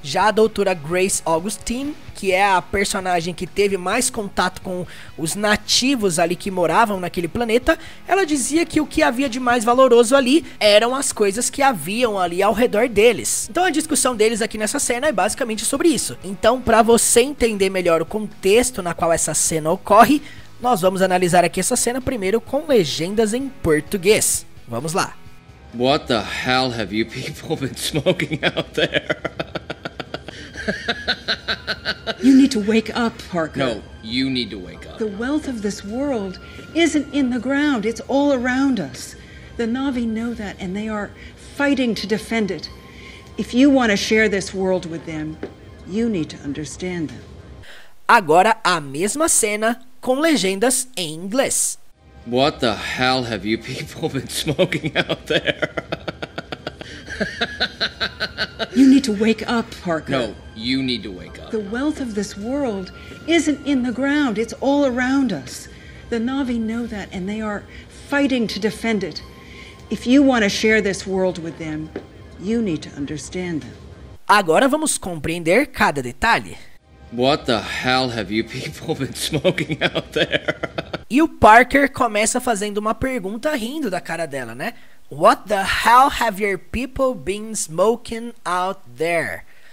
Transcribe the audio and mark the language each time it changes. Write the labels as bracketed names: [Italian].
[Portuguese] Já a doutora Grace Augustine, que é a personagem que teve mais contato com os nativos ali que moravam naquele planeta, ela dizia que o que havia de mais valoroso ali eram as coisas que haviam ali ao redor deles. Então a discussão deles aqui nessa cena é basicamente sobre isso. Então, para você entender melhor o contexto na qual essa cena ocorre, nós vamos analisar aqui essa cena primeiro com legendas em português. Vamos lá. [English] What the hell have you people been smoking out there? You need to wake up, Parker. No, you need to wake up. The wealth of this world isn't in the ground. It's all around us. The Na'vi know that, and they are fighting to defend it. If you want to share this world with them, you need to understand them. [Portuguese] Agora, a mesma cena com legendas em inglês. [English] What the hell have you people been smoking out there? You need to wake up, Parker. No, you need to wake up. The wealth of this world isn't in the ground. It's all around us. The Na'vi know that, and they are fighting to defend it. If you want to share this world with them, you need to understand them. [Portuguese] Agora vamos compreender cada detalhe. [English] What the hell have you people been smoking out there? [Portuguese] E o Parker começa fazendo uma pergunta rindo da cara dela, né? [English] What the hell have your people been smoking out there?